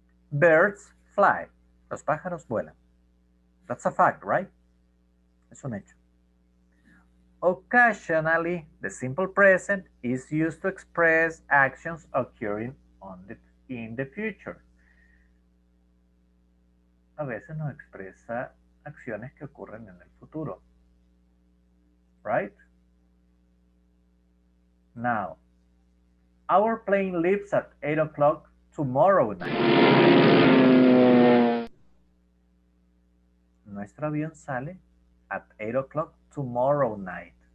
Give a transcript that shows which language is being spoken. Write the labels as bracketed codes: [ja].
[en] Birds fly. [es] Los pájaros vuelan. [en] That's a fact, right? [es] Es un hecho. [en] Occasionally, the simple present is used to express actions occurring in the future. [es] A veces nos expresa acciones que ocurren en el futuro. [en] Right? Now, our plane leaves at 8 o'clock tomorrow night. [es] Nuestro avión sale [en] at 8 o'clock tomorrow night.